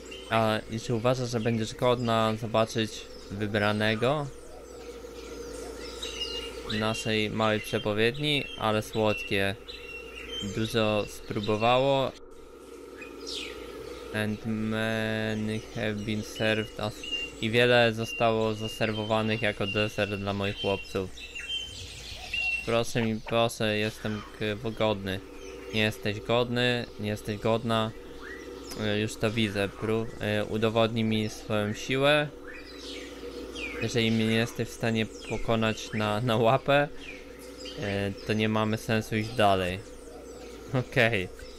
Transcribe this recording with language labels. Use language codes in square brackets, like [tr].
[pl] A czy uważasz, że będziesz godna zobaczyć wybranego naszej małej przepowiedni, ale słodkie. Dużo spróbowało. [en] And many have been served as... [pl] I wiele zostało zaserwowanych jako deser dla moich chłopców. Proszę mi, proszę, jestem godny. Nie jesteś godny, nie jesteś godna. Już to widzę. Udowodnij mi swoją siłę. Jeżeli mnie nie jesteś w stanie pokonać na łapę, to nie mamy sensu iść dalej. Okej.